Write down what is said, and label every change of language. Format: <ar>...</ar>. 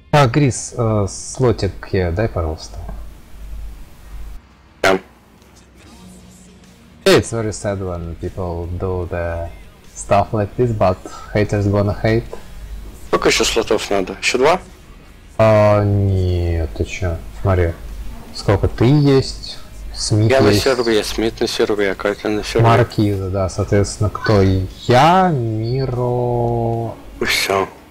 <ru>Грис, слотик, дай, пожалуйста.</ru> <en>It's very sad when people do the stuff like this, but haters gonna hate.</en> <ru>Сколько еще слотов надо? Еще два? Нет, ты че? Смотри, сколько ты есть, Смит я есть. Я на серве, Смит на серве, а Катя на серве. Маркиза, да, соответственно, кто? Я, Миро... И все.</ru>